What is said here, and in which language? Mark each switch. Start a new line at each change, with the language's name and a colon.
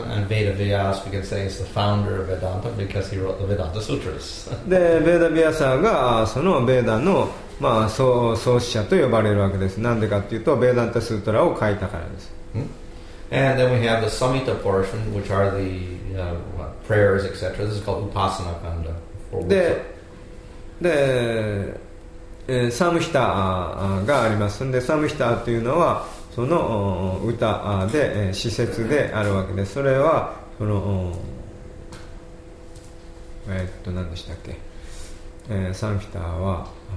English: And Veda Vyasa, we can say, is the founder of Vedanta because he wrote the Vedanta Sutras.
Japanese: で、ベダヴィアサがそのベダの、まあ、創始者と呼ばれるわけです。なんでかっていうと、ベダンタスートラを書いたからです。
English: And then we have the Samhita portion, which are the prayers, etc. This is called Upasana Kanda.
Japanese: で、で、サムヒタがありますので、サムヒタというのはその歌で施設であるわけで、それはそのなんでしたっけ、サムヒタは